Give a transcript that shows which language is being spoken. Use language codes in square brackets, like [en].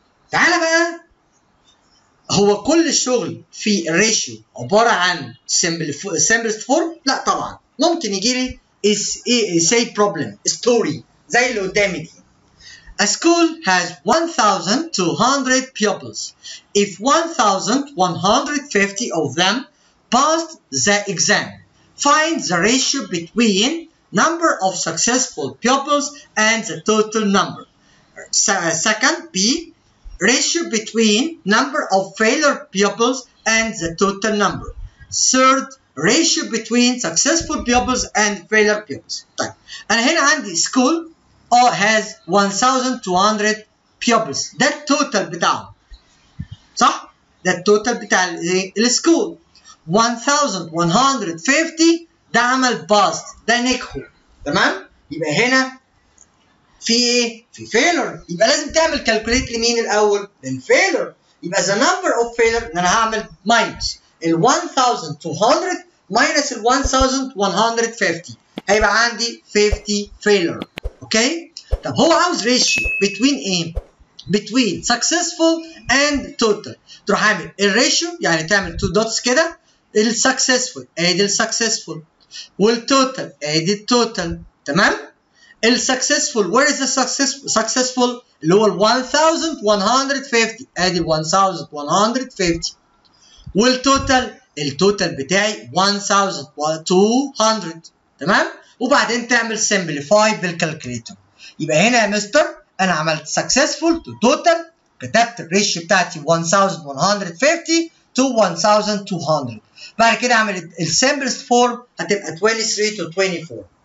[ar] تعالى بقى، هو كل الشغل في الريشيو عباره عن سمبلست فورم؟ لا طبعا، ممكن يجي لي اس اي سي بروبلم ستوري زي اللي قدامي دي. [en] A school has 1,200 pupils. If 1,150 of them passed the exam, find the ratio between number of successful pupils and the total number. Second, B, ratio between number of failure pupils and the total number. Third, ratio between successful pupils and failure pupils. And here I have the school. Or has 1,200 pupils. That total بتاعهم. [ar] صح؟ [en] That total [ar] بتاع الاسكول. 1,150 ده عمل باست. ده نجحوا. تمام؟ يبقى هنا في ايه؟ في فيلر. يبقى لازم تعمل كالكوليت لمين الاول؟ للفيلر. [en] يبقى the number of failure [ar] انا هعمل [en] minus. [ar] ال 1,200 minus ال 1,150. هيبقى عندي 50 failure. [en] Okay. [ar] طب هو عاوز [en] ratio between a between successful and total. [ar] تروح عامل الratio يعني تعمل [en] two dots [ar] كده. السuccessful add السuccessful والtotal add total. تمام؟ السuccessful [en] where is the successful [ar] اللي هو 1150 add 1150 والtotal التotal بتاعي 1200. تمام؟ وبعدين تعمل simplify بالكالكوليتر. يبقى هنا يا مستر انا عملت [en] successful to total، [ar] كتبت الريشيو بتاعتي 1150 to 1200. بعد كده عملت ال [en] simplest form [ar] هتبقى 23 to 24.